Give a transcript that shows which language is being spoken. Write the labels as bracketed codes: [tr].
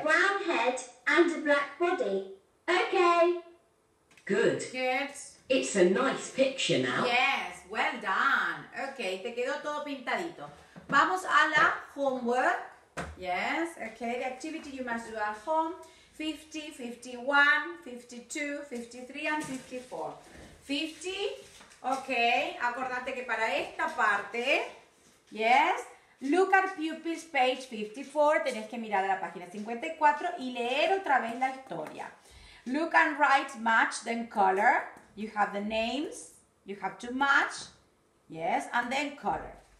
[en] A brown head and a black body. Okay. Good. Good. It's a nice picture now. Yes, well done. Okay, [es] te quedó todo pintadito. Vamos a la [en] homework. Yes, okay, the activity you must do at home. 50, 51, 52, 53 and 54. [es] 50, okay, acordate que para esta parte, [en] yes, look at pupils page 54, [es] tenés que mirar a la página 54 y leer otra vez la historia. [en] Look and write match then color. You have the names, you have to match, yes, and then color.